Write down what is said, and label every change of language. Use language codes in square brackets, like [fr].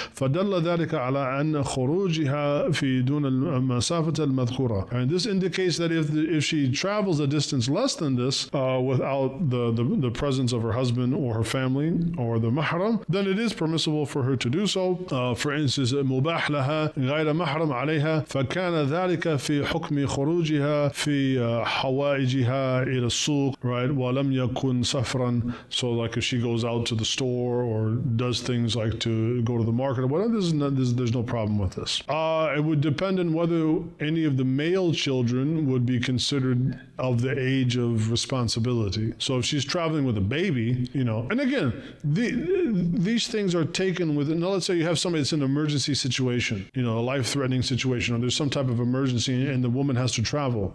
[ar] فَدَلَّ ذَلِكَ عَلَىٰ أَنَّ خُرُوجِهَا فِي دُونَ الْمَسَافَةَ الْمَذْكُورَةَ. [en] And this indicates that if she travels a distance less than this without the presence of her husband or her family or the mahram, then it is permissible for her to do so. For instance, [ar] مُبَاح لَهَا غَيْرَ مَحْرَمْ عَلَيْهَا فَكَانَ ذَلِكَ فِي حُكْمِ خُرُوجِهَا فِي حَوَائِجِهَا إِلَى السُّوقِ. Right? وَلَمْ يَكُنْ سَفْرًا. [en] So like if she goes out to the store or does things like to go to the market or whatever, there's no problem with this. It would depend on whether any of the male children would be considered of the age of responsibility. So if she's traveling with a baby, you know, and again, these things are taken with, now let's say you have somebody that's in an emergency situation, you know, a life-threatening situation, or there's some type of emergency and the woman has to travel.